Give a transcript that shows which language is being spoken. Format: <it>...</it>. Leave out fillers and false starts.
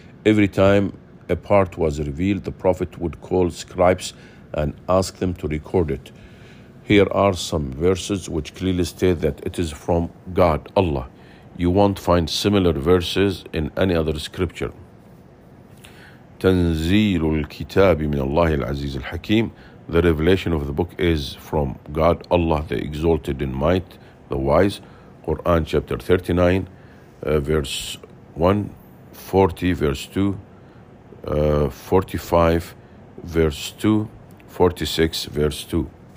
<en>Every time a part was revealed, the Prophet would call scribes and ask them to record it. Here are some verses which clearly state that it is from God, Allah. You won't find similar verses in any other scripture.</en> <ar>تنزيل الكتاب من الله العزيز الحكيم.</ar> <en>The revelation of the book is from God, Allah, the Exalted in Might, the Wise. Quran chapter 39, verse 1, 40, verse 2, 45, verse 2, 46, verse 2.</en>